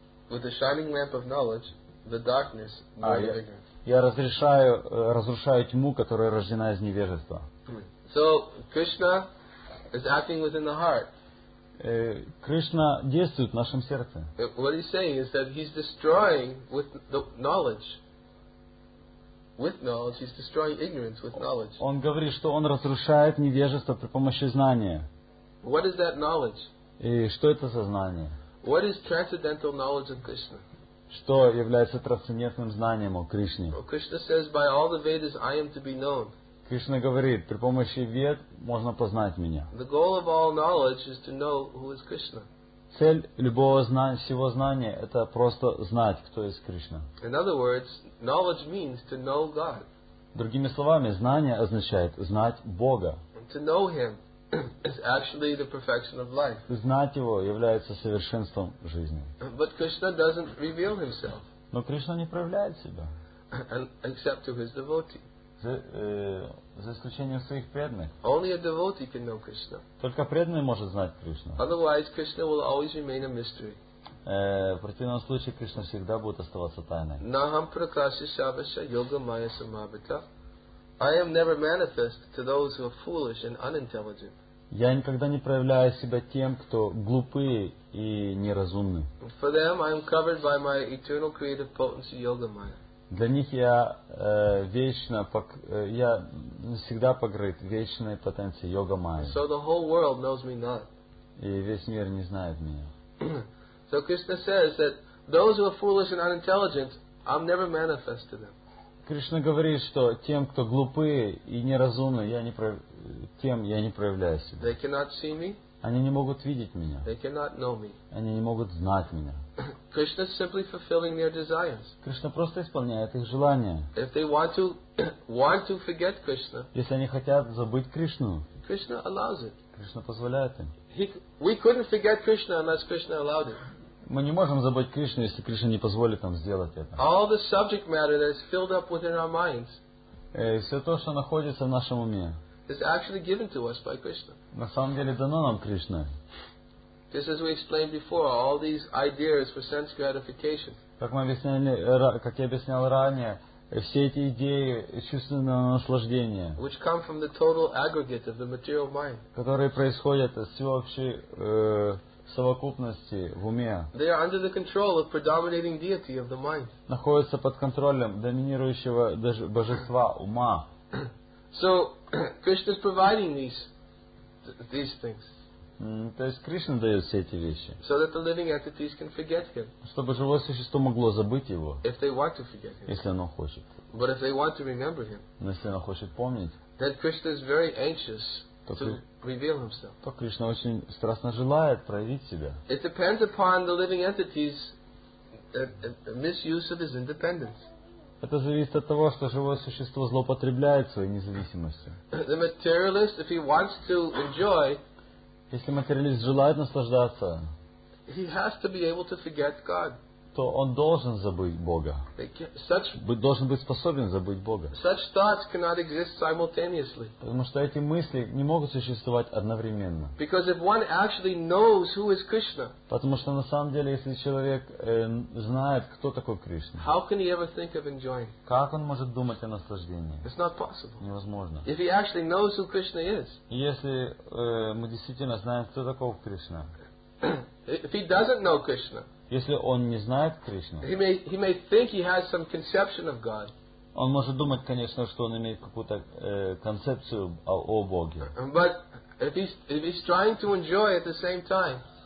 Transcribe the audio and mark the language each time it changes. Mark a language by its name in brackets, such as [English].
[English] With the shining lamp of knowledge, the darkness born of ignorance. [Russian] Я разрушаю тьму, которая рождена из невежества. [English] So Krishna is acting within the heart. [Russian] Кришна действует в нашем сердце. [English] What he's saying is that he's destroying with the knowledge. With knowledge, he's destroying ignorance with knowledge. [Russian] Он говорит, что он разрушает невежество при помощи знания. [English] What is that knowledge? [Russian] И что это за знание? [English] What is transcendental knowledge of Krishna? [Russian] Что является трансцендентным знанием о Кришне? [English] Krishna says, by all the Vedas, I am to be known. [Russian] Кришна говорит, при помощи Вед можно познать меня. [English] The goal of all knowledge is to know who is Krishna. [Russian] Цель любого всего знания – это просто знать, кто есть Кришна. [English] In other words, knowledge means to know God. [Russian] Другими словами, знание означает знать Бога. [English] And to know Him is actually the perfection of life. [Russian] Знать Его является совершенством жизни. [English] But Krishna doesn't reveal Himself. [Russian] Но Кришна не проявляет себя. [English] And except to His devotee. [Russian] За исключением своих преданных. [English] Only a devotee can know Krishna. [Russian] Только преданный может знать Кришну. [English] Otherwise, Krishna will always remain a mystery. [Russian] В противном случае Кришна всегда будет оставаться тайной. [Sanskrit] Naham prakashi shavasha yoga maya samabhita. [English] I am never manifest to those who are foolish and unintelligent. [Russian] Я никогда не проявляю себя тем, кто глупый и неразумный. [English] For them, I am covered by my eternal creative potency, yoga maya. [Russian] Для них я вечно, я всегда покрыт вечной потенцией йога майя. [English] So the whole world knows me not. [Russian] И весь мир не знает меня. [English] So Krishna says that those who are foolish and unintelligent, I'm never manifest to them. [Russian] Кришна говорит, что тем, кто глупые и неразумные, тем я не проявляю себя. [English] They cannot see me. [Russian] Они не могут видеть меня. [English] They cannot know me. [Russian] Они не могут знать меня. [English] Krishna is simply fulfilling their desires. [Russian] Кришна просто исполняет их желания. [English] If they want to forget Krishna, [Russian] если они хотят забыть Кришну, [English] Krishna allows it. [Russian] Кришна позволяет им. [English] We couldn't forget Krishna unless Krishna allowed it. [Russian] Мы не можем забыть Кришну, если Кришна не позволит нам сделать это. [English] All the subject matter that is filled up within our minds, [Russian] все то, что находится в нашем уме, [English] is actually given to us by Krishna. [Russian] На самом деле дано нам Кришна. [English] Just as we explained before, all these ideas for sense gratification. [Russian] Как мы объясняли, как я объяснял ранее, все эти идеи чувственного наслаждения, [English] which come from the total aggregate of the material mind, [Russian] которые происходят из всеобщей совокупности в уме, [English] they are under the control of predominating deity of the mind, [Russian] находятся под контролем доминирующего божества ума. [English] So Krishna is providing these things. [Russian] То есть Кришна дает все эти вещи. [English] So that the living entities can forget him. [Russian] Чтобы живое существо могло забыть его. [English] If they want to forget him. [Russian] Если оно хочет. [English] But if they want to remember him. [Russian] Но если оно хочет помнить. [English] Then Krishna is very anxious to reveal himself. [Russian] То Кришна очень страстно желает проявить себя. [English] It depends upon the living entities misuse of his independence. [Russian] Это зависит от того, что живое существо злоупотребляет своей независимостью. [English] The materialist, if he wants to enjoy, [Russian] если материалист желает наслаждаться, [English] he has to be able to forget God. [Russian] То он должен забыть Бога. [English] Such, [Russian] должен быть способен забыть Бога. [English] Such thoughts cannot exist simultaneously. [Russian] Потому что эти мысли не могут существовать одновременно. [English] Because if one actually knows who is Krishna, [Russian] потому что на самом деле, если человек знает, кто такой Кришна, [English] how can he ever think of enjoying? [Russian] Как он может думать о наслаждении? [English] It's not possible. [Russian] Невозможно. [English] If he actually knows who Krishna is, [Russian] если мы действительно знаем, кто такой Кришна, [English] if he doesn't know Krishna, [Russian] если он не знает Кришну, [English] he may think he has some conception of God. [Russian] Он может думать, конечно, что он имеет какую-то концепцию о Боге. [English] But if he's trying to enjoy at the same time,